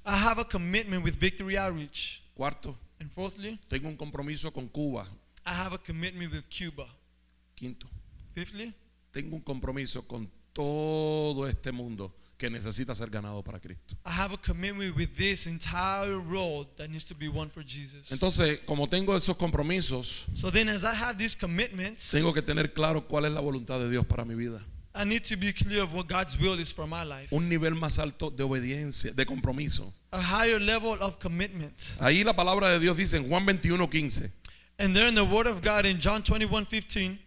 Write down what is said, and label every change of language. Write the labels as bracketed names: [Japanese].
[English] I have a commitment with Victory Outreach. [Spanish] Cuarto. [English] And fourthly. [Spanish] Tengo un compromiso con Cuba. [English] I have a commitment with Cuba. [Spanish] Quinto. [English] Fifthly. [Spanish] Tengo un compromiso con todo este mundo que necesita ser ganado para Cristo. [English] I have a commitment with this entire world that needs to be won for Jesus. [Spanish] Entonces, como tengo esos compromisos, [English] so then as I have these commitments, [Spanish] tengo que tener claro cuál es la voluntad de Dios para mi vida. [English] I need to be clear of what God's will is for my life. [Spanish] Un nivel más alto de obediencia, de compromiso. [English] A higher level of commitment. [Spanish] Ahí la palabra de Dios dice en Juan 21:15. [English] And there in the word of God in John 21:15.